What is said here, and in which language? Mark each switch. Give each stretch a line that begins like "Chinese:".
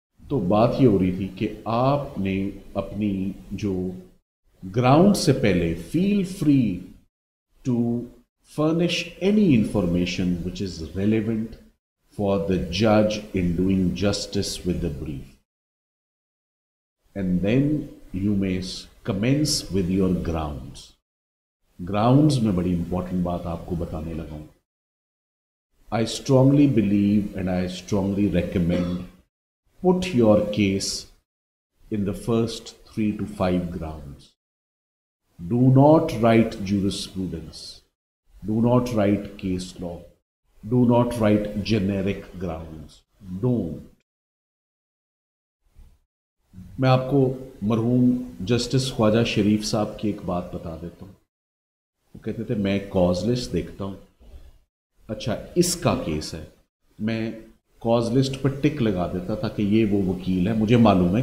Hindi: तो बात ये हो रही थी कि आपने अपनी जो ग्राउंड से पहले,
English: Feel free to furnish any information which is relevant for the जज in doing justice with the brief, and then You may commence with your grounds.
Hindi: Grounds में बड़ी important बात आपको बताने लगा हूं।
English: I strongly believe and I strongly recommend put your case in the first 3 to 5 grounds. Do not write jurisprudence. Do not write case law. Do not write generic grounds. Don't.
Hindi: मैं आपको मरहूम justice Khwaja शरीफ साहब की एक बात बता देता हूँ। वो कहते थे मैं कॉज लिस्ट देखता हूँ, अच्छा इसका केस है, मैं कॉज लिस्ट पर टिक लगा देता था कि ये वो वकील है, मुझे मालूम है।